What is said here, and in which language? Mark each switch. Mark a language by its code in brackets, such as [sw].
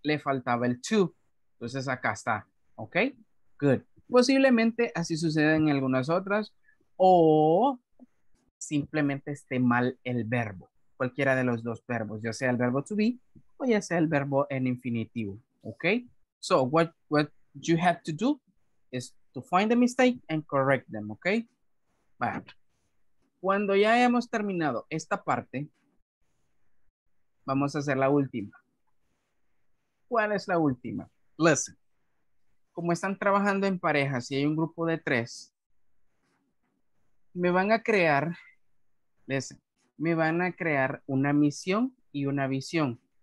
[es] Le faltaba el two, entonces acá está, ¿ok? Good. Posiblemente así sucede en algunas otras, o simplemente esté mal el verbo, cualquiera de los dos verbos, ya sea el verbo to be o ya sea el verbo en infinitivo, ¿ok? [en] So, what you have to do is to find the mistake and correct them, ¿ok? [es] Bueno, cuando ya hayamos terminado esta parte, vamos a hacer la última. ¿Cuál es la última? [en] Listen. [es] Como están trabajando en parejas y hay un grupo de tres, me van a crear, [en] listen, [es] me van a crear una misión y una visión.